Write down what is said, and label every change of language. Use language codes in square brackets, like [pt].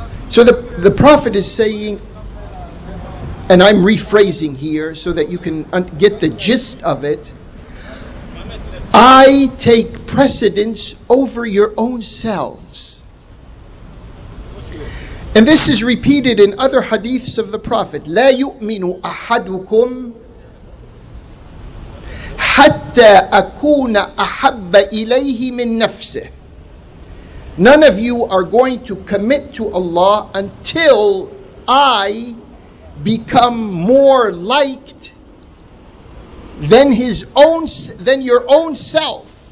[en] So the Prophet is saying, and I'm rephrasing here so that you can get the gist of it, I take precedence over your own selves. And this is repeated in other hadiths of the Prophet. [ar] لا يؤمن أحدكم حتى أكون أحب إليه من نفسه. [en] None of you are going to commit to Allah until I become more liked than his own, than your own self.